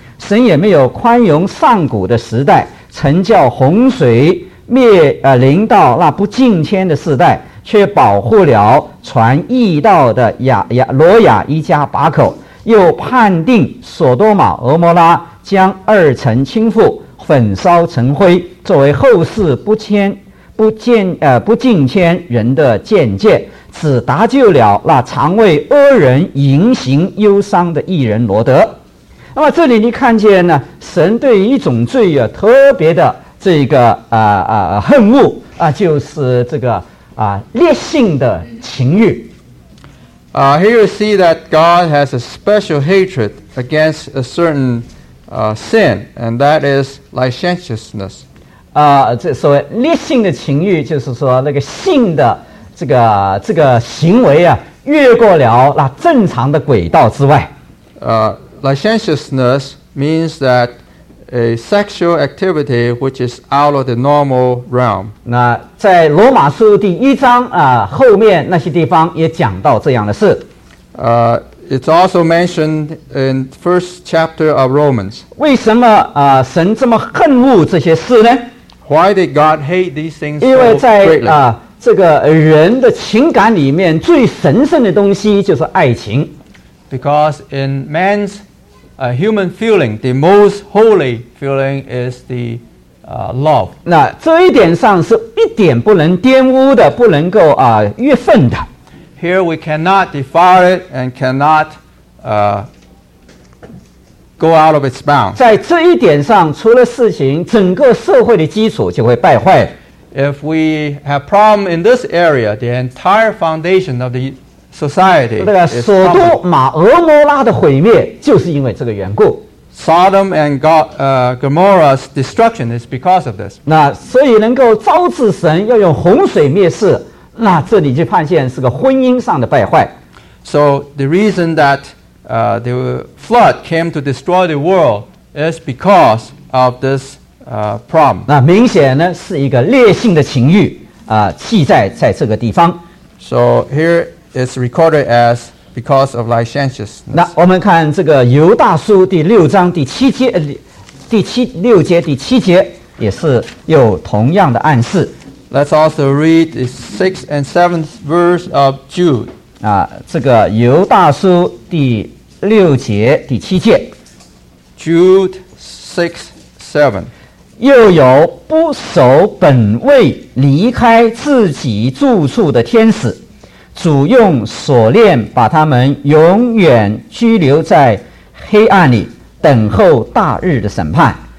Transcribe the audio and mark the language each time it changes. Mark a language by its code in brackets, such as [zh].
[zh] 神也没有宽容上古的时代，曾叫洪水临到那不敬虔的世代，却保护了传义道的罗亚一家八口，又判定索多玛俄摩拉将二城倾覆焚烧成灰，作为后世不敬虔人的见解，只搭救了那常为恶人淫行忧伤的义人罗德。那么这里你看见呢，神对于一种罪啊特别的这个恨恶啊，就是这个烈性的情欲。 [en] Here you see that God has a special hatred against a certain sin, and that is licentiousness. [zh] 这所谓烈性的情欲，就是说那个性的这个行为啊，越过了那正常的轨道之外。 [en] Licentiousness means that a sexual activity which is out of the normal realm. [zh] 那在罗马书第一章后面那些地方也讲到这样的事。 [en] It's also mentioned in the first chapter of Romans. [zh] 为什么神这么恨恶这些事呢？ [en] Why did God hate these things so greatly? [zh] 因为在这个人的情感里面最神圣的东西就是爱情。 [en] Because in man's human feeling, the most holy feeling is the love. [zh] 那这一点上是一点不能玷污的，不能够越分的。 [en] Here we cannot defile it and cannot go out of its bounds. [zh] 在这一点上出了事情，整个社会的基础就会败坏。 [en] If we have problem in this area, the entire foundation of the society. [zh] 那个索多玛俄摩拉的毁灭就是因为这个缘故。 [en] Sodom and Gomorrah's destruction is because of this. [zh] 那所以能够招致神要用洪水灭世，那这里就判现是个婚姻上的败坏。 [en] So the reason that the flood came to destroy the world is because of this problem. [zh] 那明显呢是一个烈性的情欲记载在这个地方。 [en] So here. It's recorded as because of licentiousness. [zh] 那我们看这个犹大书第六章第七节，第七节也是有同样的暗示。 [en] Let's also read the sixth and seventh verse of Jude. [zh] 这个犹大书第六节第七节。 [en] Jude 6:7. [zh] 又有不守本位离开自己住处的天使。主用锁链把他们永远拘留在黑暗里，等候大日的审判。